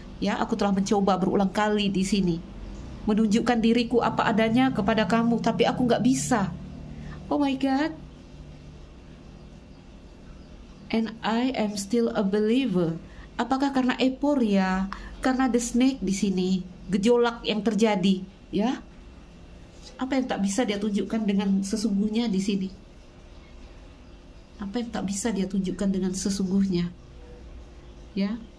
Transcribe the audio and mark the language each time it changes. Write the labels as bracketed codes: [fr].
[id] Ya, aku telah mencoba berulang kali di sini, menunjukkan diriku apa adanya kepada kamu, tapi aku nggak bisa. [en] Oh my God. And I am still a believer. [id] Apakah karena euphoria, karena [en] the snake [id] di sini, gejolak yang terjadi, ya? Apa yang tak bisa dia tunjukkan dengan sesungguhnya di sini? Apa yang tak bisa dia tunjukkan dengan sesungguhnya? Ya?